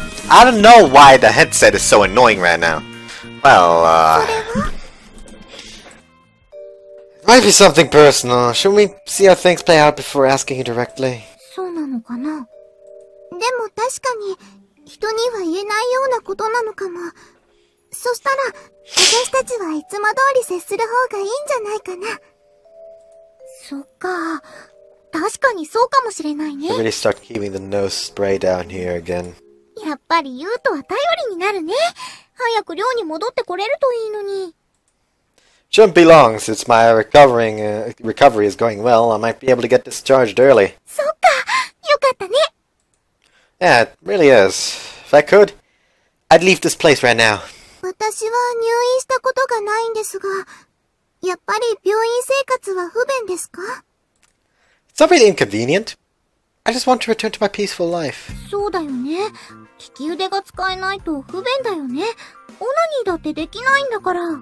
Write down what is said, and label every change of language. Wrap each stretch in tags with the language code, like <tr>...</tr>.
<en>I don't know why the headset is so annoying right now. Well, might be something personal. Shouldn't we see how things play out before asking you directly?</en> <ja>そうなのかな。でも確かに人には言えないようなことなのかも。そしたら私たちはいつも通り接する方がいいんじゃないかな。そっか。確かにそうかもしれないね。</ja> <en>I really start keeping the nose spray down here again.</en> <ja>やっぱりユウトは頼りになるね。早く寮に戻ってこれるといいのに。</ja> <en>Shouldn't be long, since my recovery is going well, I might be able to get discharged early.</en> <ja>そっか、よかったね。</ja> <en>Yeah, it really is. If I could, I'd leave this place right now.</en> <ja>私は入院したことがないんですが、やっぱり病院生活は不便ですか？</ja> <en>It's not really inconvenient. I just want to return to my peaceful life.</en> <ja>そうだよね。利き腕が使えないと不便だよね。オナニーだってできないんだから。</ja>